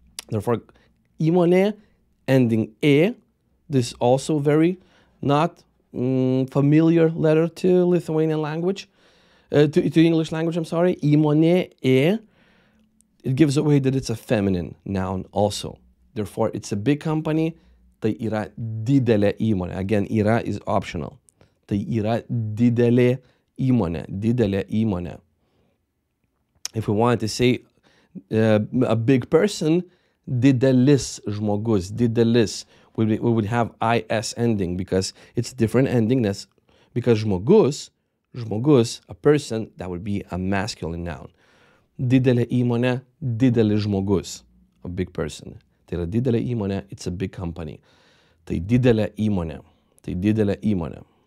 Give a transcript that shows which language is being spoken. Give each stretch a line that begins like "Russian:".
English: Therefore, įmonė ending e, this also very not familiar letter to Lithuanian language, to English language, I'm sorry, įmonė e, it gives away that it's a feminine noun also. Therefore, it's a big company,
Lithuanian: tai yra didelė įmonė.
English: Again, yra is optional.
Lithuanian: Tai yra didelė įmonė, didelė įmonė.
English: If we wanted to say a big person,
Lithuanian: didelis žmogus, didelis,
English: we would have IS ending because it's a different ending. That's because žmogus, a person, that would be a masculine noun.
Lithuanian: Didelė įmonė, didelis žmogus,
English: a big person.
Lithuanian: Tai yra didelė įmonė,
English: it's a big company.
Lithuanian: Tai didelė įmonė, tai didelė įmonė.